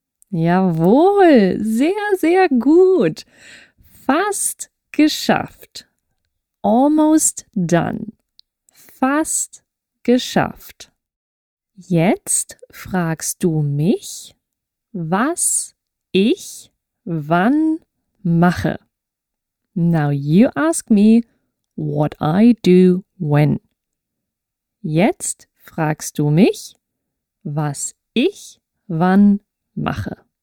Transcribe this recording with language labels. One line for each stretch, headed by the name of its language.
German: Jawohl, sehr, sehr gut. Fast geschafft.
English: Almost done.
German: Fast geschafft. Jetzt fragst du mich, was ich wann mache.
English: Now you ask me, what I do when.
German: Jetzt fragst du mich, was ich wann mache.